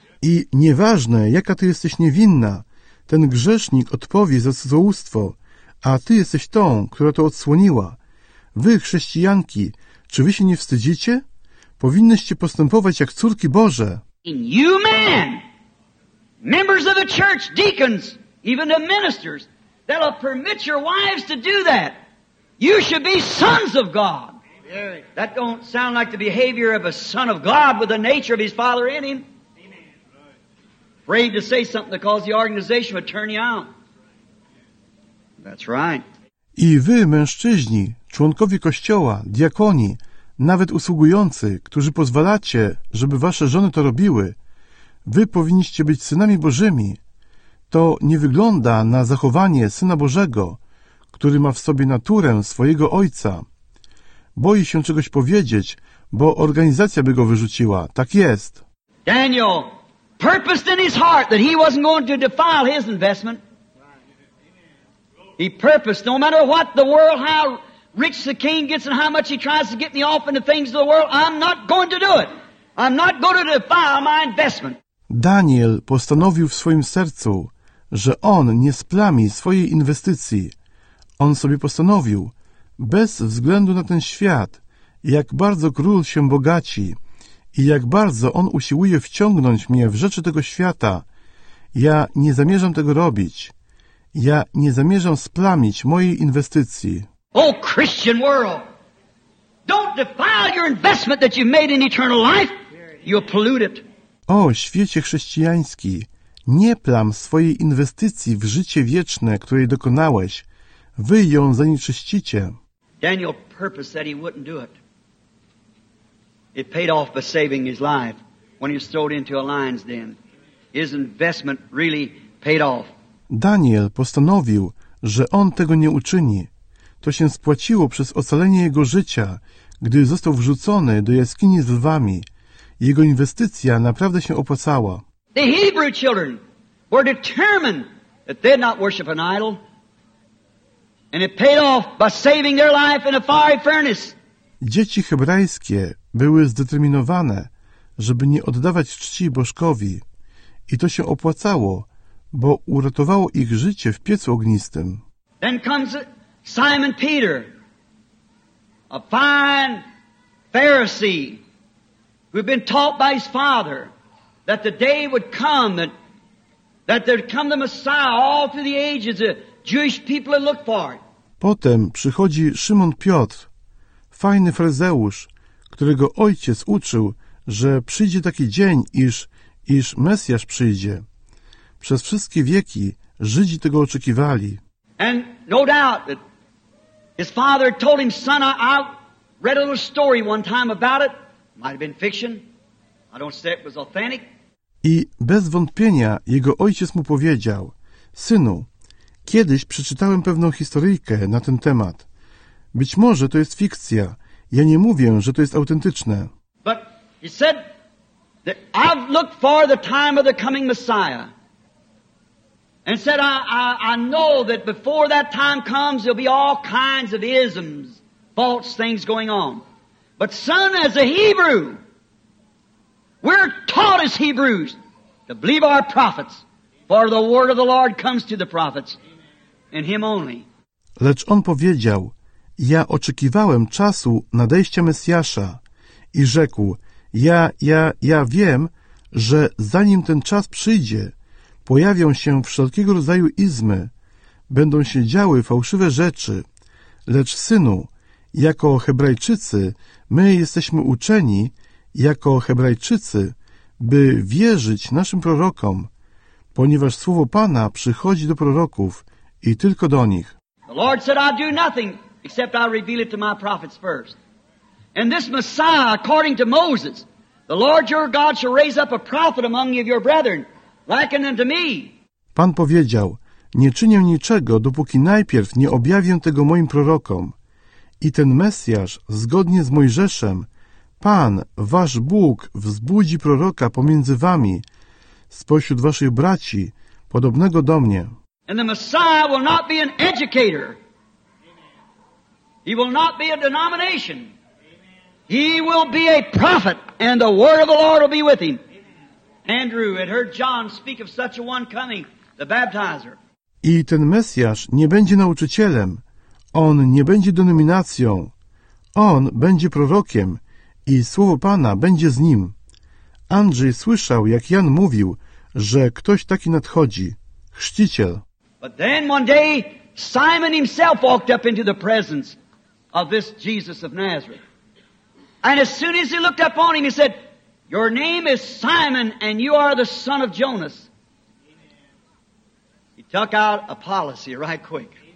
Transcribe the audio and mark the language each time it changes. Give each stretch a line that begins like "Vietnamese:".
Polish: I nieważne, jaka ty jesteś niewinna, ten grzesznik odpowie za cudzołóstwo, a ty jesteś tą, która to odsłoniła. Wy, chrześcijanki, czy wy się nie wstydzicie? Powinnyście postępować jak córki Boże.
English: And you men, members of the church, deacons, even the ministers, that'll permit your wives to do that. You should be sons of God. That don't sound like the behavior of a son of God with the nature of his father in him. Afraid to say something to cause the organization to turn you out. That's right.
Polish: I wy, mężczyźni, członkowie kościoła, diakoni, nawet usługujący, którzy pozwalacie, żeby wasze żony to robiły, wy powinniście być synami Bożymi. To nie wygląda na zachowanie Syna Bożego, który ma w sobie naturę swojego Ojca. Boi się czegoś powiedzieć, bo organizacja by go wyrzuciła. Tak jest.
English: Daniel purposed in his heart that he wasn't going to defile his investment. He purposed, no matter what the world, how rich the king gets and how much he tries to get me off in the things of the world, I'm not going to do it. I'm not going to defile my investment.
Polish: Daniel postanowił w swoim sercu, że on nie splami swojej inwestycji. On sobie postanowił, bez względu na ten świat, jak bardzo król się bogaci i jak bardzo on usiłuje wciągnąć mnie w rzeczy tego świata, ja nie zamierzam tego robić. Ja nie zamierzam splamić mojej inwestycji.
English: O, Christian world! Don't defile your investment that you've made in eternal life! You'll pollute it.
Polish: O, świecie chrześcijański, nie plam swojej inwestycji w życie wieczne, której dokonałeś. Wy ją zanieczyścicie.
English: Daniel purposed that he wouldn't do it. It paid off by saving his life when he was thrown into a lion's den. His investment really paid off.
Polish: Daniel postanowił, że on tego nie uczyni. To się spłaciło przez ocalenie jego życia, gdy został wrzucony do jaskini z lwami. Jego inwestycja naprawdę się opłacała.
English: The Hebrew children were determined that they'd not worship an idol. And it paid off by saving their life in a fiery furnace.
Polish: Dzieci hebrajskie były zdeterminowane, żeby nie oddawać czci bożkowi. I to się opłacało, bo uratowało ich życie w piecu ognistym.
English: Then comes Simon Peter, a fine Pharisee. We've been taught by his father that the day would come that there'd come the Messiah all through the ages, the Jewish people had looked for it.
Polish: Potem przychodzi Szymon Piotr, fajny faryzeusz, którego ojciec uczył, że przyjdzie taki dzień, iż Mesjasz przyjdzie. Przez wszystkie wieki Żydzi tego oczekiwali.
English: And no doubt that his father told him, son, I read a little story one time about it. Might have been fiction. I don't say it was authentic.
Polish: I bez wątpienia jego ojciec mu powiedział, synu, kiedyś przeczytałem pewną historyjkę na ten temat. Być może to jest fikcja. Ja nie mówię, że to jest autentyczne.
English: But he said, I've looked for the time of the coming Messiah. And said, I know that before that time comes, there'll be all kinds of isms, false things going on. But son, as a Hebrew, we're taught as Hebrews to believe our prophets, for the word of the Lord comes to the prophets, and him only.
Polish: Lecz on powiedział, ja oczekiwałem czasu nadejścia Mesjasza i rzekł, ja wiem, że zanim ten czas przyjdzie, pojawią się wszelkiego rodzaju izmy, będą się działy fałszywe rzeczy. Lecz synu, jako Hebrajczycy, my jesteśmy uczeni, jako Hebrajczycy, by wierzyć naszym prorokom, ponieważ słowo Pana przychodzi do proroków i tylko do nich.
English: The Lord said, I do nothing except I reveal it to my prophets first. And this Messiah, according to Moses, the Lord your God shall raise up a prophet among you of your brethren. Liken unto me.
Polish: Pan powiedział, nie czynię niczego, dopóki najpierw nie objawię tego moim prorokom. I ten Mesjasz, zgodnie z Mojżeszem, Pan, wasz Bóg, wzbudzi proroka pomiędzy wami, spośród waszych braci, podobnego do mnie.
English: And the Messiah will not be an educator. He will not be a denomination. He will be a prophet, and the word of the Lord will be with him. Andrew had heard John speak of such a one coming, the baptizer.
Polish: I ten Mesjasz nie będzie nauczycielem. On nie będzie denominacją. On będzie prorokiem i słowo Pana będzie z nim. Andrzej słyszał, jak Jan mówił, że ktoś taki nadchodzi. Chrzciciel.
English: But then one day Simon himself walked up into the presence of this Jesus of Nazareth. And as soon as he looked up on him, he said, your name is Simon, and you are the son of Jonas. He took out a policy right quick.